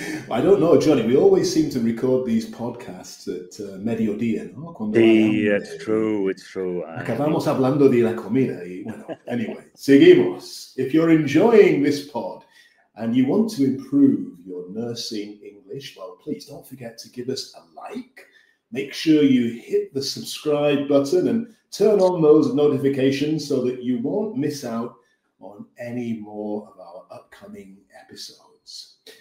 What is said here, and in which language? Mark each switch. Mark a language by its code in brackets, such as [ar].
[en] I don't know, Johnny, we always seem to record these podcasts at [es] mediodía, ¿no? Cuando [en] it's true. [es] Acabamos hablando de la comida y, bueno, [en] anyway, [es] seguimos. [en] If you're enjoying this pod and you want to improve your nursing English, well, please don't forget to give us a like. Make sure you hit the subscribe button and turn on those notifications so that you won't miss out on any more of our upcoming episodes.